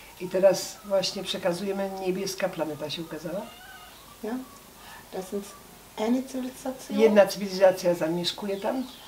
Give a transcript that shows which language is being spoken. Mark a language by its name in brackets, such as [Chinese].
[Polish] I teraz właśnie przekazujemy, niebieska planeta się ukazała. [German] Ja, das ist eine Zivilisation. [Polish] Jedna cywilizacja zamieszkuje tam.